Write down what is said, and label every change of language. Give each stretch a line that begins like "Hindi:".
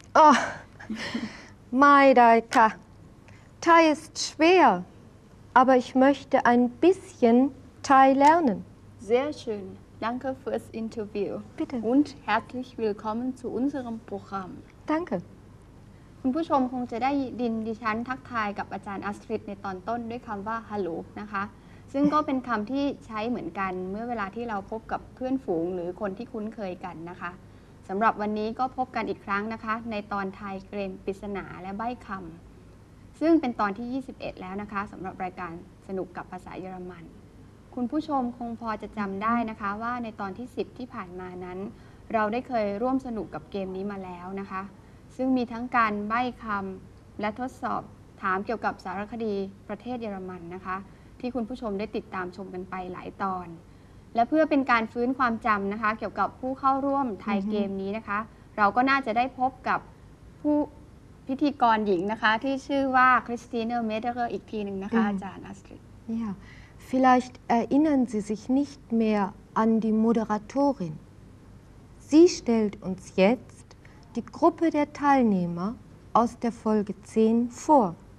German: Oh, Mai Dai Ka. Thai ist schwer, aber ich möchte ein bisschen Thai lernen. Sehr schön. Danke fürs Interview. Bitte. Und herzlich willkommen zu unserem Programm. Danke.
Thai: คุณผู้ชมคงจะได้ดินดิฉันทักทายกับอาจารย์อัสตริดในตอนต้นด้วยคำว่าฮัลโหลนะคะซึ่งก็เป็นคำที่ใช้เหมือนกันเมื่อเวลาที่เราพบกับเพื่อนฝูงหรือคนที่คุ้นเคยกันนะคะสำหรับวันนี้ก็พบกันอีกครั้งนะคะในตอนไทยเกรนปริศนาและใบ้คำซึ่งเป็นตอนที่21แล้วนะคะสำหรับรายการสนุกกับภาษาเยอรมัน คุณผู้ชมคงพอจะจำได้นะคะว่าในตอนที่10ที่ผ่านมานั้นเราได้เคยร่วมสนุกกับเกมนี้มาแล้วนะคะซึ่งมีทั้งการใบ้คำและทดสอบถามเกี่ยวกับสารคดีประเทศเยอรมันนะคะที่คุณผู้ชมได้ติดตามชมกันไปหลายตอนและเพื่อเป็นการฟื้นความจำนะคะเกี่ยวกับผู้เข้าร่วมไทยเกมนี้นะคะเราก็น่าจะได้พบกับผู้พิธีกรหญิงนะคะที่ชื่อว่าคริสติน่าเมเดเกอร์อีกทีนึงนะคะอาจารย์อัสตริด
German: Vielleicht erinnern Sie sich nicht mehr an die Moderatorin. Sie stellt uns jetzt die Gruppe der Teilnehmer aus der Folge 10 vor.